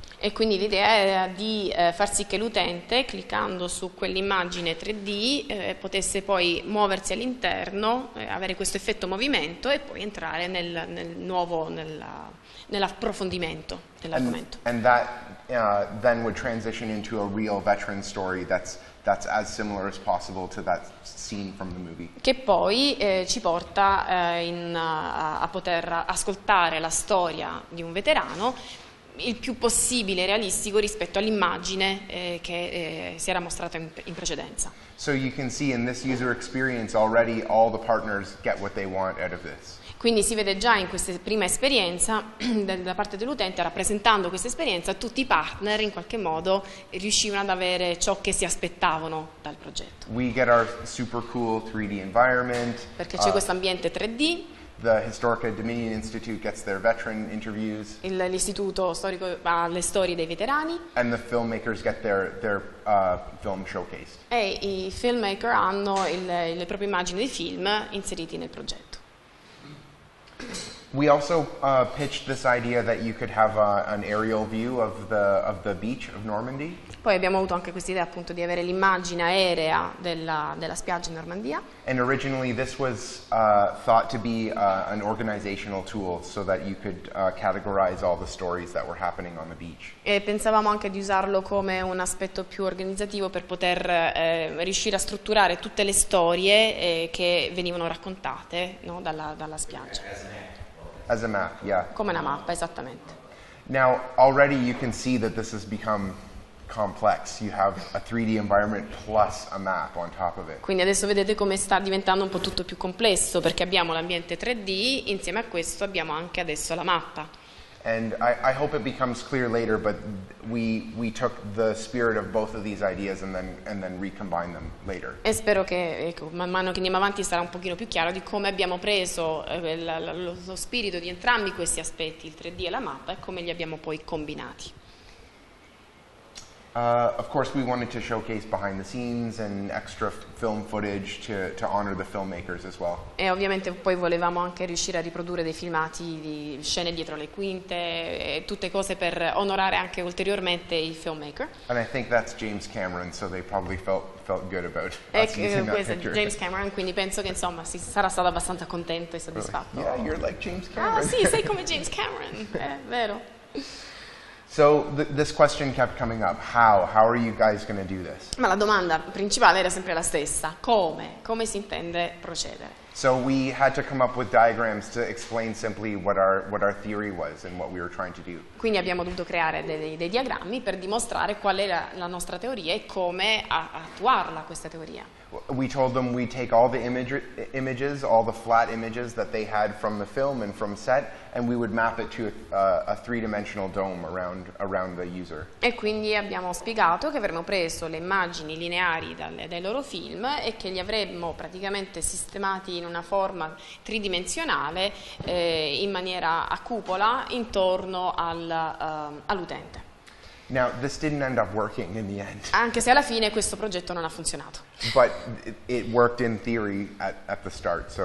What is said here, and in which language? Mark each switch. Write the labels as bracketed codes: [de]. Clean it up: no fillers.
[it] E quindi l'idea era di far sì che l'utente, cliccando su quell'immagine 3D, potesse poi muoversi all'interno, avere questo effetto movimento e poi entrare nell'approfondimento dell'argomento. [en] And that then would transition into a real veteran story that's as similar as possible to that scene from the movie. [it] Che poi ci porta a poter ascoltare la storia di un veterano il più possibile realistico rispetto all'immagine che si era mostrata in precedenza. [en] So you can see in this user experience already all the partners get what they want out of this. [it] Quindi si vede già in questa prima esperienza da parte dell'utente, rappresentando questa esperienza, tutti i partner in qualche modo riuscivano ad avere ciò che si aspettavano dal progetto. [en] We get our super cool 3D environment. [it] Perché c'è questo ambiente 3D. [en] The Historical Dominion Institute gets their veteran interviews. [it] L'istituto storico ha le storie dei veterani. [en] And the filmmakers get their film showcased. [it] E i filmmaker hanno le proprie immagini di film inseriti nel progetto. [en] We also pitched this idea that you could have an aerial view of the beach of Normandy. [it] Poi abbiamo avuto anche questa idea appunto di avere l'immagine aerea della della spiaggia in Normandia. [en] And originally this was thought to be an organizational tool so that you could categorize all the stories that were happening on the beach. [it] E pensavamo anche di usarlo come un aspetto più organizzativo per poter riuscire a strutturare tutte le storie che venivano raccontate, no, dalla dalla spiaggia. [en] As a map, yeah. [it] Come una mappa, esattamente. [en] Now, already you can see that this has become complex. You have a 3D environment plus a map on top of it. [it] Quindi adesso vedete come sta diventando un po' tutto più complesso, perché abbiamo l'ambiente 3D, insieme a questo abbiamo anche adesso la mappa. [en] And I hope it becomes clear later, but we took the spirit of both of these ideas and then recombined them later. [it] E spero che, ecco, man mano che andiamo avanti sarà un pochino più chiaro di come abbiamo preso lo spirito di entrambi questi aspetti, il 3D e la mappa, e come li abbiamo poi combinati. [en] Of course, we wanted to showcase behind the scenes and extra film footage to honor the filmmakers as well. [it] E ovviamente poi volevamo anche riuscire a riprodurre dei filmati di scene dietro le quinte, e tutte cose per onorare anche ulteriormente i filmmaker. [en] And I think that's James Cameron, so they probably felt good about us using that picture. [it] James Cameron, quindi penso che insomma si sarà stato abbastanza contento e soddisfatto. [en] Really? Yeah, you're like James Cameron. [it] Ah, sì, sei come James Cameron, è vero. [en] So this question kept coming up. How are you guys going to do this? [it] Ma la domanda principale era sempre la stessa. Come si intende procedere? [en] So we had to come up with diagrams to explain simply what our theory was and what we were trying to do. [it] Quindi abbiamo dovuto creare dei diagrammi per dimostrare qual era la nostra teoria e come attuarla questa teoria. [en] We told them we'd take all the images, all the flat images that they had from the film and from set, and we would map it to a three-dimensional dome around the user. [it] E quindi abbiamo spiegato che avremmo preso le immagini lineari dai loro film e che li avremmo praticamente sistemati in una forma tridimensionale in maniera a cupola intorno all'utente. [en] Now, this didn't end up working in the end. [it] Anche se alla fine questo progetto non ha funzionato. [en] But it worked in theory at the start, so